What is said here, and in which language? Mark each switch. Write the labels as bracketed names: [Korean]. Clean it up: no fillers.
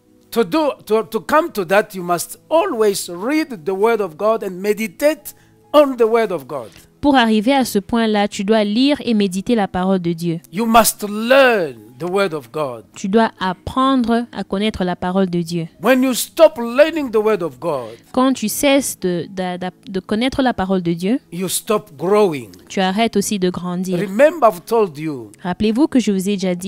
[English] To come to that, you must always read the Word of God and meditate on the Word of God. [French] Pour arriver à ce point-là, tu dois lire et méditer la parole de Dieu. [English] You must learn the Word of God. [French] Tu dois apprendre à connaître la parole de Dieu. [English] When you stop learning the Word of God, [French] quand tu cesses de connaître la parole de Dieu, [English] you stop growing. [French] Tu arrêtes aussi de grandir. [English] Remember, I've told you. [French] Rappelez-vous que je vous ai déjà dit.